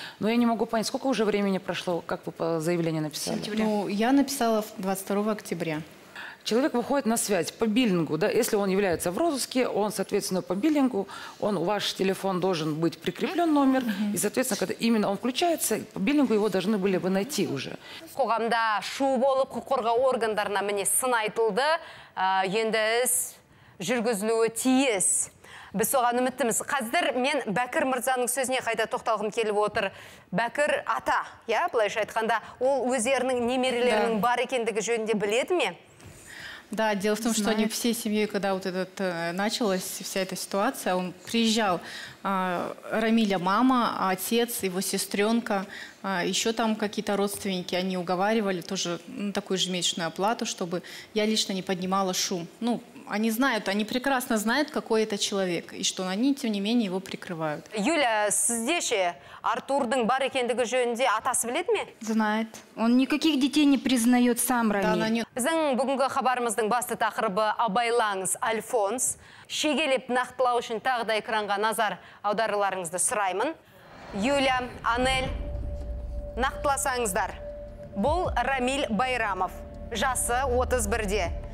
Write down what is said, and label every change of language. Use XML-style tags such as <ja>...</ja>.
<ru>Но я не могу понять, сколько уже времени прошло, как вы заявление написали? Сентября. Ну, я написала 22 октября. Человек выходит на связь по биллингу, да, если он является в розыске, он, соответственно, по биллингу, он, ваш телефон должен быть прикреплен номер, и, соответственно, когда именно он включается, по биллингу его должны были бы найти уже.</ru> <kk>Қоғамда шу болып, құқық қорғау органдарына міне сын айтылды, енді іс жүргізілуі тиіс. Біз оған үміттіміз. Қазір мен Бәкір Мырзаның сөзіне қайта тоқталғым келіп отыр. Бәкір ата, иә, былайша айтқанда, ол өздерінің немерелерінің бар екендігі жөнінде біледі ме?</kk> <ru>Да, дело в том, что они всей семьей, когда вот этот началась вся эта ситуация, он приезжал, Рамиля мама, отец, его сестренка, еще там какие-то родственники, они уговаривали тоже на такую же месячную оплату, чтобы я лично не поднимала шум. Ну, они знают, они прекрасно знают, какой это человек, и что они, тем не менее, его прикрывают.</ru> <kk>Юля, сіздеше Артурдың бар екендігі жөнінде атасы біледі ме?</kk> <ru>Знает. Он никаких детей не признает сам Рамиль.</ru> <kk>Біздің бүгінгі хабарымыздың басты тақырыбы абайлаңыз Альфонс. Шегелеп нақтылау үшін тағы да экранға назар аударыларыңызды сұраймын. Юля, Анель, нақтыласаңыздар. Бұл Рамиль Байрамов. Жасы 31-де.</kk>